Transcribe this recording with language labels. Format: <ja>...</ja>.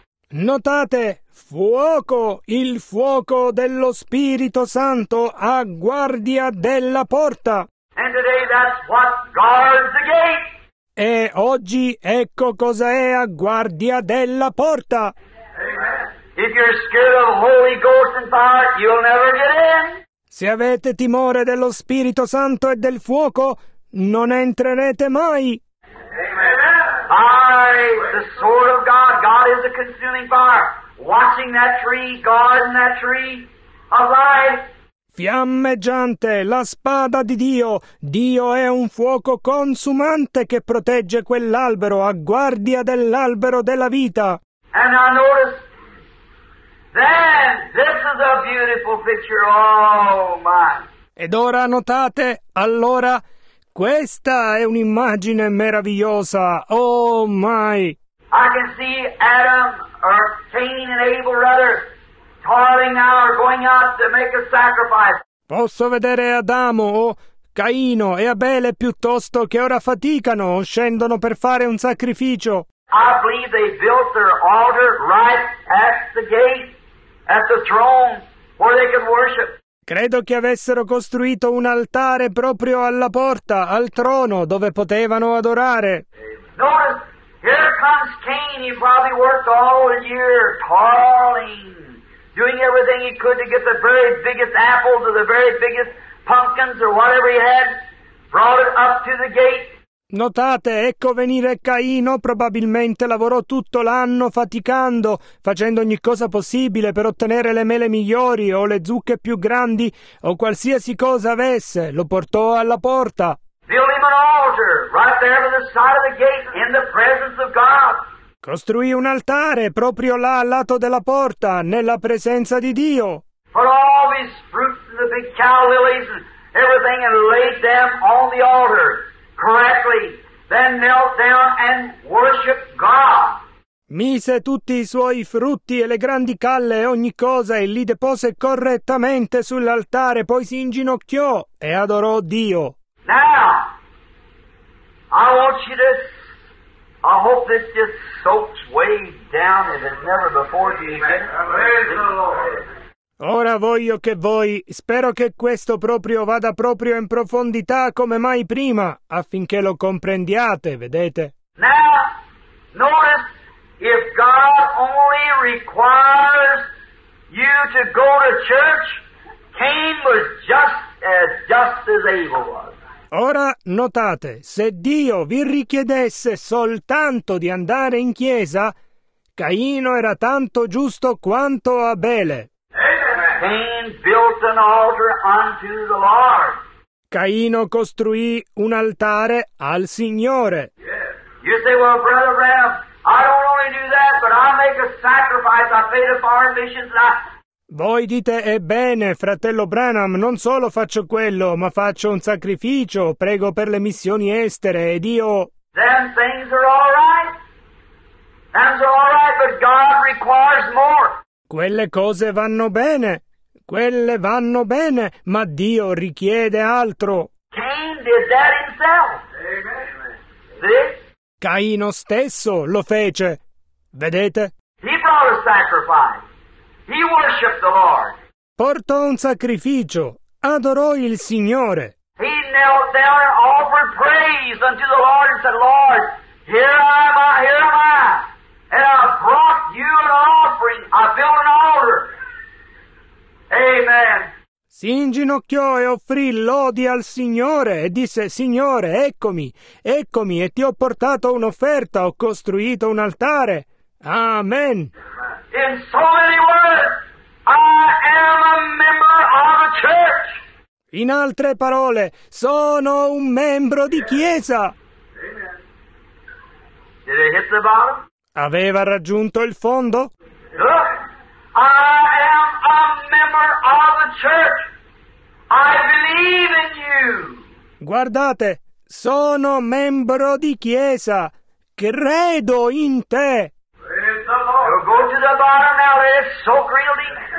<it>Notate, fuoco, il fuoco dello Spirito Santo a guardia della porta.</it> <en>And today that's what guards the gate.</en> <it>E oggi ecco cosa è a guardia della porta.</it> <en>If you're scared of Holy Ghost and fire, you'll never get in.</en> <it>Se avete timore dello Spirito Santo e del fuoco, non entrerete mai.</it> <en>By the sword of God, God is a consuming fire, watching that tree, guarding that tree of life.</en> <it>Fiammeggiante, la spada di Dio. Dio è un fuoco consumante che protegge quell'albero a guardia dell'albero della vita.</it> <en>And I notice, then, this is a beautiful picture, oh my.</en> <it>Ed ora notate, allora, questa è un'immagine meravigliosa,</it> <en>oh my. I can see Adam, or Cain and Abel, rather, toiling now or going out to make a sacrifice.</en> <it>Posso vedere Adamo o Caino e Abele piuttosto che ora faticano o scendono per fare un sacrificio.</it> <en>I believe they built their altar right at the gate, at the throne, where they could worship.</en> <it>Credo che avessero costruito un altare proprio alla porta, al trono, dove potevano adorare.</it> <en>Notice, here comes Cain, he probably worked all the year toiling, doing everything he could to get the very biggest apples or the very biggest pumpkins or whatever he had, brought it up to the gate.</en> <it>Notate, ecco venire Caino, probabilmente lavorò tutto l'anno faticando, facendo ogni cosa possibile per ottenere le mele migliori o le zucche più grandi o qualsiasi cosa avesse, lo portò alla porta.</it> <en>Built him an altar, right there on the side of the gate, in the presence of God.</en> <it>Costruì un altare proprio là al lato della porta, nella presenza di Dio.</it> <en>Put all these fruits and the big cow lilies and everything and laid them on the altar correctly, then knelt down and worshiped God.</en> <it>Mise tutti i suoi frutti e le grandi calle e ogni cosa e li depose correttamente sull'altare, poi si inginocchiò e adorò Dio.</it> <en>Now, I want you to, I hope this just soaks way down as it never before did. Praise the Lord.</en> <it>Ora voglio che voi, spero che questo proprio vada proprio in profondità come mai prima, affinché lo comprendiate, vedete?</it> <en>Now, notice, if God only requires you to go to church, Cain was just as able was.</en> <it>Ora notate, se Dio vi richiedesse soltanto di andare in chiesa, Caino era tanto giusto quanto Abele.</it> <en>Cain built an altar unto the Lord.</en> <it>Caino costruì un altare al Signore.</it> <en>Yes. You say, well, Brother Ram, I don't only do that, but I make a sacrifice, I pay the foreign missions and I...</en> <it>Voi dite, ebbene, fratello Branham, non solo faccio quello, ma faccio un sacrificio, prego per le missioni estere, ed io...</it> <en>Then things are all right. Things are all right, but God requires more.</en> <it>Quelle cose vanno bene. Quelle vanno bene, ma Dio richiede altro.</it> <en>Cain did that himself. Amen.</en> <it>Caino stesso lo fece. Vedete?</it> <en>He brought a sacrifice. He worshiped the Lord.</en> <it>Portò un sacrificio. Adorò il Signore.</it> <en>He knelt down and offered praise unto the Lord and said, Lord, here am I. And I brought you an offering. I built an altar. Amen.</en> <it>Si inginocchiò e offrì lodi al Signore e disse, Signore, eccomi e ti ho portato un'offerta, ho costruito un altare.</it> <en>Amen. In so many words, I am a member of a church.</en> <it>In altre parole, sono un membro di chiesa.</it> <en>Amen. Did it hit the bottom?</en> <it>Aveva raggiunto il fondo?</it> <en>Look, I am a member of the church. I believe in you.</en> <it>Guardate, sono membro di chiesa. Credo in te.</it> <en>Go to the bottom now, it's so real deep.</en>